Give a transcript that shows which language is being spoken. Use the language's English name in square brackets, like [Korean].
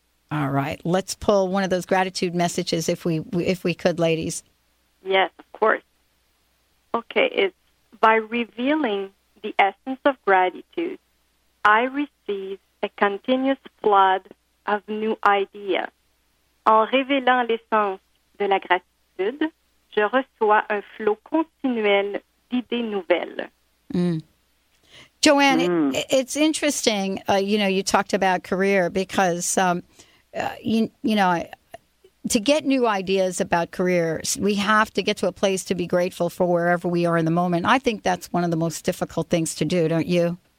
[English] All right. Let's pull one of those gratitude messages if we could, ladies. Yes, of course. Okay. It's, by revealing the essence of gratitude, I receive a continuous flood of new ideas. [French] En révélant l'essence de la gratitude, je reçois un flot continuel d'idées nouvelles. Mm. [English] Joanne, it's interesting, you know, you talked about career because, to get new ideas about careers, we have to get to a place to be grateful for wherever we are in the moment. I think that's one of the most difficult things to do, don't you?